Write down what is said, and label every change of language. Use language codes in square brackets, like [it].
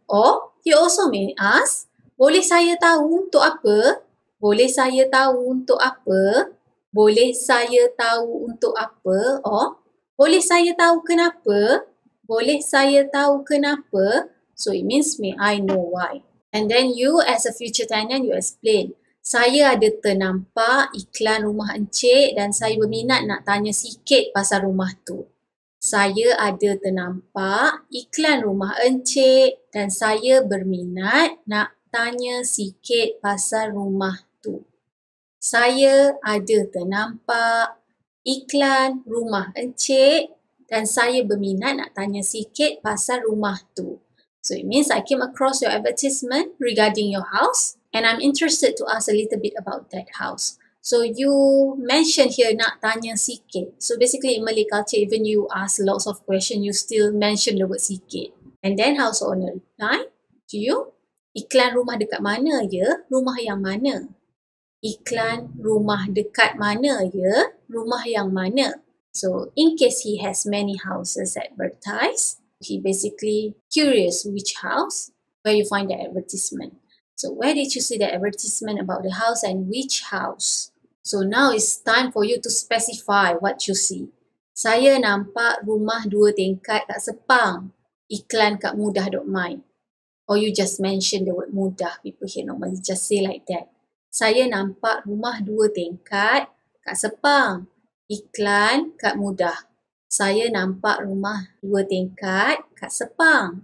[en] Or he also may ask, [ms] boleh saya tahu untuk apa? Boleh saya tahu untuk apa? Boleh saya tahu untuk apa? Or boleh saya tahu kenapa? Boleh saya tahu kenapa? [en] So it means may I know why. And then you as a future tenant, you explain. [ms] Saya ada ternampak iklan rumah encik dan saya berminat nak tanya sikit pasal rumah tu. Saya ada ternampak iklan rumah encik dan saya berminat nak tanya sikit pasal rumah tu. Saya ada ternampak iklan rumah encik dan saya berminat nak tanya sikit pasal rumah tu. [en] So it means I came across your advertisement regarding your house and I'm interested to ask a little bit about that house. So you mentioned here [ms] nak tanya sikit. [en] So basically in Malay culture, even you ask lots of questions, you still mention the word sikit. And then house owner reply to you, [ms] iklan rumah dekat mana ya? Rumah yang mana? Iklan rumah dekat mana ya? Rumah yang mana? [en] So in case he has many houses advertised, he basically curious which house, where you find the advertisement. So where did you see the advertisement about the house and which house? So now it's time for you to specify what you see. [ms] Saya nampak rumah dua tingkat kat Sepang. Iklan kat mudah.my. [en] Or you just mention the word mudah. People here normally just say like that. [ms] Saya nampak rumah dua tingkat kat Sepang. Iklan kat mudah. Saya nampak rumah dua tingkat kat Sepang.